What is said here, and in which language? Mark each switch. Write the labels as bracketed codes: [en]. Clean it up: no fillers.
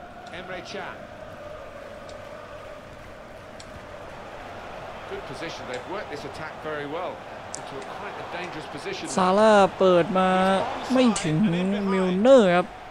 [en] นอ๋อ Good position. They've worked this attack very well. Into a quite a dangerous position. [th] ซาร่าเปิดมาไม่ถึงมิลเนอร์ครับ